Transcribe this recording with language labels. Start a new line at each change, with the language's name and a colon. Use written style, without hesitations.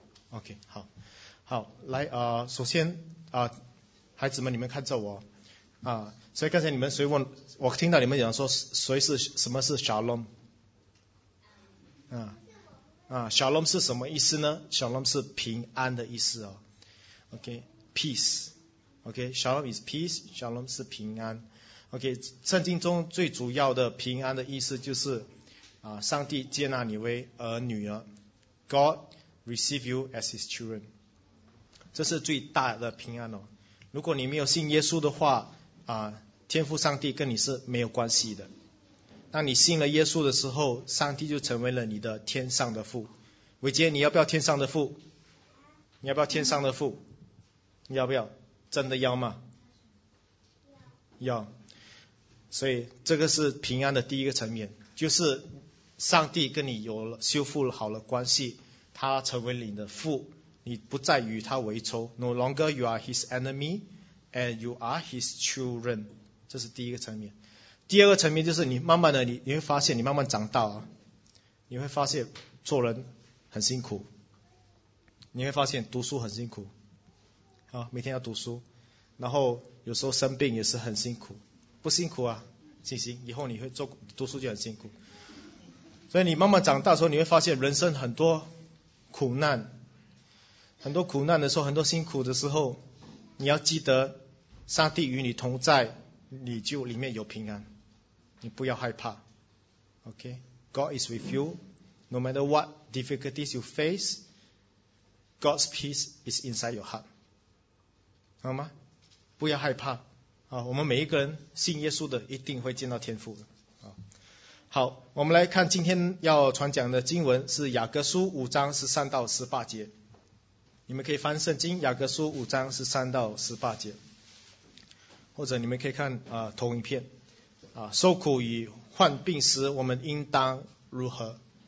Chinese: OK， 好，来首先孩子们，你们看着我所以刚才你们谁问我，听到你们讲说什么是 shalom？ shalom 是什么意思呢 ？shalom 是平安的意思哦。
English: OK，peace。 OK，shalom is peace，
Chinese: shalom 是平安。 OK， 圣经中最主要的平安的意思就是上帝接纳你为儿女儿 ，
English: God receive you as His children，
Chinese: 这是最大的平安哦。如果你没有信耶稣的话天父上帝跟你是没有关系的。当你信了耶稣的时候，上帝就成为了你的天上的父。伟杰，你要不要天上的父？你要不要天上的父？你要不要？真的要吗？要。所以这个是平安的第一个层面，就是上帝跟你有了修复好了关系，他成为你的父，你不再与他为仇。
English: No longer you are his enemy and you are his children，
Chinese: 这是第一个层面。第二个层面就是你慢慢的你会发现，你慢慢长大你会发现做人很辛苦，你会发现读书很辛苦每天要读书，然后有时候生病也是很辛苦。不辛苦啊，信心，以后你会做读书就很辛苦。所以你慢慢长大的时候，你会发现人生很多苦难，很多苦难的时候，很多辛苦的时候，你要记得上帝与你同在，你就里面有平安，你不要害怕。
English: Okay? God is with you. No matter what difficulties you face, God's peace is inside your heart.
Chinese: 好吗？不要害怕我们每一个人信耶稣的一定会见到天父的好，我们来看今天要传讲的经文是雅各书五章十三到十八节。你们可以翻圣经雅各书五章十三到十八节，或者你们可以看投影片受苦与患病时我们应当如何。